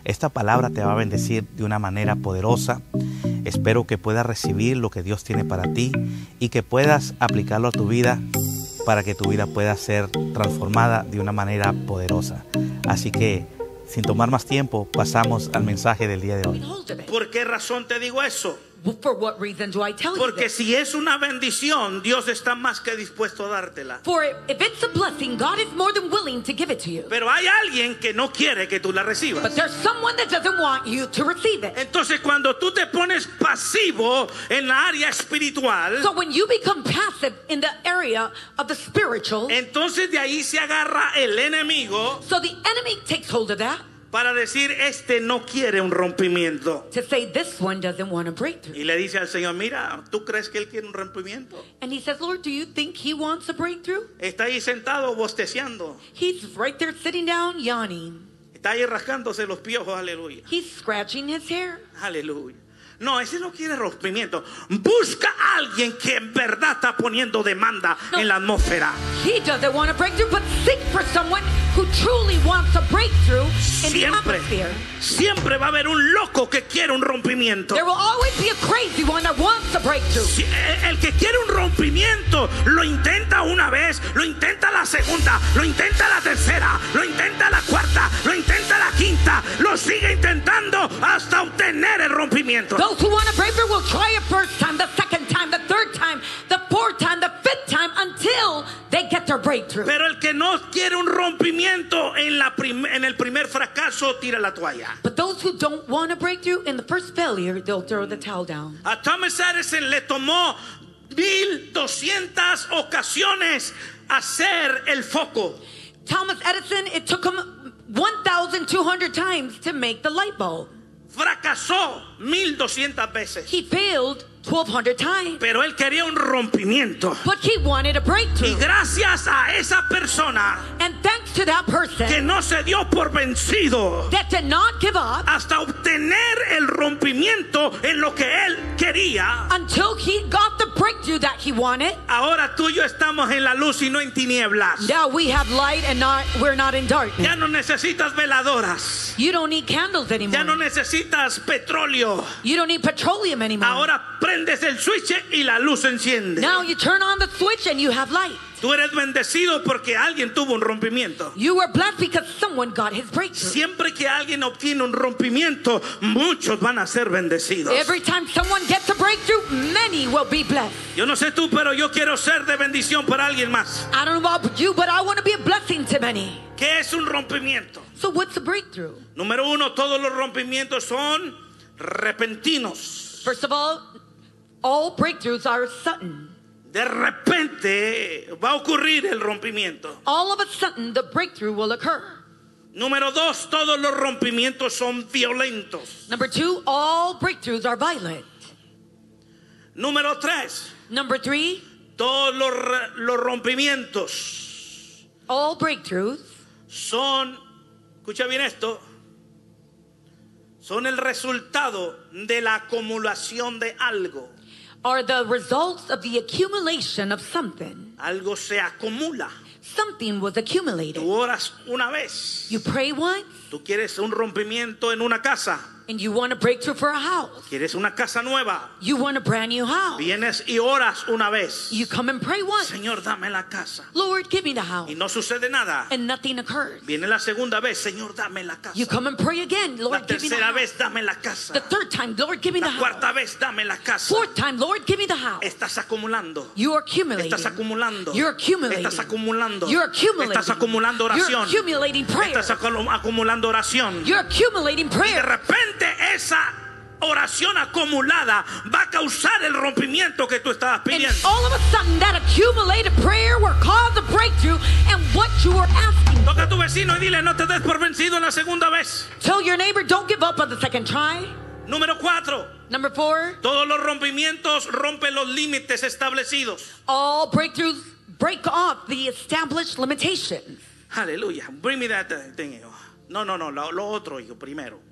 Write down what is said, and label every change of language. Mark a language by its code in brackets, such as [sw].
[es] Esta palabra te va a bendecir de una manera poderosa. Espero que puedas recibir lo que Dios tiene para ti y que puedas aplicarlo a tu vida para que tu vida pueda ser transformada de una manera poderosa. Así que, sin tomar más tiempo, pasamos al mensaje del día de hoy. ¿Por qué razón te digo eso? [en] For what reason do I tell you? [es] Porque si es una bendición, Dios está más que dispuesto a dártela. [en] For if it's a blessing, God is more than willing to give it to you. [es] Pero hay alguien que no quiere que tú la recibas. [en] But there's someone that doesn't want you to receive it. [es] Entonces cuando tú te pones pasivo en la área espiritual, [en] so when you become passive in the area of the spiritual, [es] entonces de ahí se agarra el enemigo. [en] So the enemy takes hold of that. [es] Para decir, este no quiere un rompimiento. [en] To say, this one doesn't want a breakthrough. [es] Y le dice al Señor, mira, ¿tú crees que él quiere un rompimiento? [en] And he says, Lord, do you think he wants a breakthrough? [es] Está ahí sentado bosteceando. [en] He's right there sitting down, yawning. [es] Está ahí rascándose los piojos, aleluya. [en] He's scratching his hair. [es] Aleluya. No, ese no quiere rompimiento. Busca a alguien que en verdad está poniendo demanda en la atmósfera. [en] He doesn't want a breakthrough, but seek for someone who truly wants a breakthrough in the atmosphere. [es] Siempre va a haber un loco que quiere un rompimiento. [en] There will always be a crazy one that wants a breakthrough. [es] Si, el que quiere un rompimiento lo intenta una vez, lo intenta la segunda, lo intenta la tercera, lo intenta la cuarta, lo intenta la quinta, lo sigue intentando hasta obtener el rompimiento. [en] Those who want a breakthrough will try it first time, the second time, the third time, the fourth time, the fifth time, until they get their breakthrough. [es] Pero el que no quiere un rompimiento en el primer fracaso, tira la toalla. [en] But those who don't want a breakthrough in the first failure, they'll throw the towel down. [es] A Thomas Edison le tomó 1,200 ocasiones hacer el foco. [en] Thomas Edison, it took him 1,200 times to make the light bulb. [es] Fracasó 1,200 veces. [en] He failed 1,200 times. [es] Pero él quería un rompimiento. [en] But he wanted a breakthrough. [es] Y gracias a esa persona. [en] And thanks to that person. [es] Que no se dio por vencido. [en] That did not give up. [es] Hasta obtener el rompimiento en lo que él quería. [en] Until he got the breakthrough that he wanted. [es] Ahora tú y yo estamos en la luz y no en tinieblas. [en] Now we have light and we're not in darkness. [es] Ya no necesitas veladoras. [en] You don't need candles anymore. [es] Ya no necesitas petróleo. [en] You don't need petroleum anymore. [es] Ahora prendes el switch y la luz enciende. [en] Now you turn on the switch and you have light. [es] Tú eres bendecido porque alguien tuvo un rompimiento. [en] You were blessed because someone got his breakthrough. [es] Siempre que alguien obtiene un rompimiento, muchos van a ser bendecidos. [en] Every time someone gets a breakthrough, many will be blessed. [es] Yo no sé tú, pero yo quiero ser de bendición para alguien más. [en] I don't know about you, but I want to be a blessing to many. [es] ¿Qué es un rompimiento? [en] So what's a breakthrough? [es] Número uno, todos los rompimientos son repentinos. [en] First of all breakthroughs are sudden. [es] De repente va a ocurrir el rompimiento. [en] All of a sudden, the breakthrough will occur. [es] Número dos, todos los rompimientos son violentos. [en] Number two, all breakthroughs are violent. [es] Número tres. [en] Number three. [es] Todos los rompimientos. [en] All breakthroughs. [es] Son, escucha bien esto. Son el resultado de la acumulación de algo. [en] Are the results of the accumulation of something. [es] Algo se acumula. [en] Something was accumulated. [es] Tú oras una vez. [en] You pray once. [es] Tú quieres un rompimiento en una casa. [en] And you want a breakthrough for a house. [es] Quieres una casa nueva. [en] You want a brand new house. [es] Vienes y oras una vez. [en] You come and pray once. [es] Señor, dame la casa. [en] Lord, give me the house. [es] Y no sucede nada. [en] And nothing occurs. [es] Viene la segunda vez. Señor, dame la casa. [en] You come and pray again. Lord, give me the house. [es] La tercera vez, dame la casa. [en] The third time, Lord, give me the house. [es] La cuarta vez, dame la casa. [en] Fourth time, Lord, give me the house. [es] Estás acumulando. [en] You are accumulating. [es] Estás acumulando. [en] You're accumulating. [es] Estás acumulando. [en] You're accumulating. [es] Estás acumulando oración. [en] You're accumulating prayer. [es] Estás acumulando oración. [en] You're accumulating prayer. [es] Y de repente esa oración acumulada va a causar el rompimiento que tú estabas pidiendo. [en] And all of a sudden that accumulated prayer will cause a breakthrough and what you were asking. [es] Toca a tu vecino y dile, no te des por vencido la segunda vez. [en] Tell your neighbor, don't give up on the second try. [es] Número cuatro. [en] Number four. [es] Todos los rompimientos rompen los límites establecidos. [en] All breakthroughs break off the established limitations. [es] Aleluya. [en] Bring me that thing. [es] No, lo otro, hijo, primero.